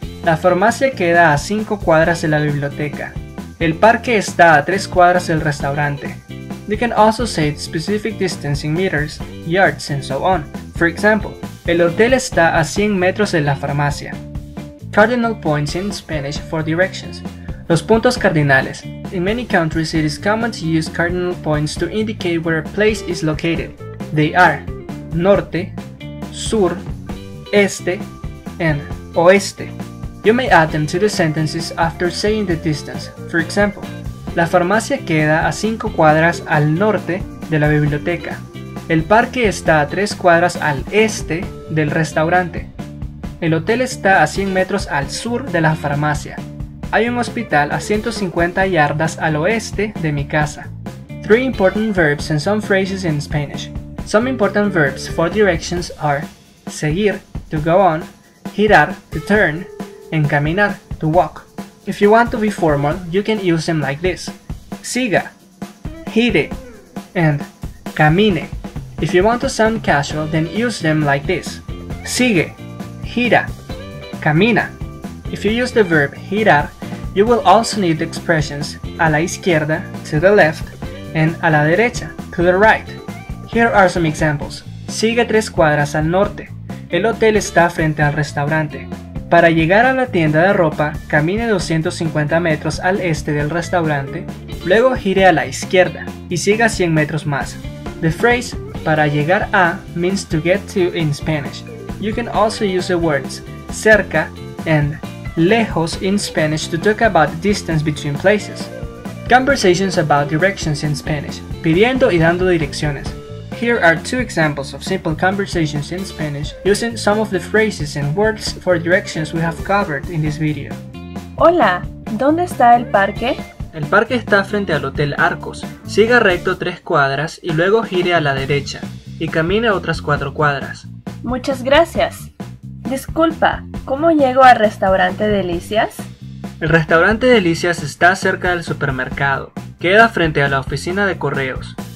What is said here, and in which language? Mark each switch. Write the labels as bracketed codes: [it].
[es] La farmacia queda a 5 cuadras de la biblioteca. El parque está a 3 cuadras del restaurante. [en] You can also say specific distance in meters, yards, and so on. For example, [es] el hotel está a 100 metros de la farmacia. [en] Cardinal points in Spanish for directions. [es] Los puntos cardinales. [en] In many countries, it is common to use cardinal points to indicate where a place is located. They are Norte, Sur, Este, and Oeste. You may add them to the sentences after saying the distance. For example, [es] la farmacia queda a 5 cuadras al norte de la biblioteca. El parque está a 3 cuadras al este del restaurante. El hotel está a 100 metros al sur de la farmacia. Hay un hospital a 150 yardas al oeste de mi casa. [en] Three important verbs and some phrases in Spanish. Some important verbs for directions are seguir, to go on, girar, to turn, and caminar, to walk. If you want to be formal, you can use them like this. Siga, gire, and camine. If you want to sound casual, then use them like this. Sigue, gira, camina. If you use the verb girar, you will also need the expressions [es] a la izquierda, [en] to the left, and [es] a la derecha, [en] to the right. Here are some examples. [es] Sigue tres cuadras al norte. El hotel está frente al restaurante. Para llegar a la tienda de ropa, camine 250 metros al este del restaurante, luego gire a la izquierda y siga 100 metros más. [en] The phrase [es] para llegar a [en] means to get to in Spanish. You can also use the words cerca and lejos in Spanish to talk about the distance between places. Conversations about directions in Spanish, [es] pidiendo y dando direcciones. [en] Here are two examples of simple conversations in Spanish using some of the phrases and words for directions we have covered in this video. [es] Hola, ¿dónde está el parque? El parque está frente al Hotel Arcos. Siga recto 3 cuadras y luego gire a la derecha y camine otras 4 cuadras. Muchas gracias. Disculpa, ¿cómo llego al restaurante Delicias? El restaurante Delicias está cerca del supermercado. Queda frente a la oficina de correos.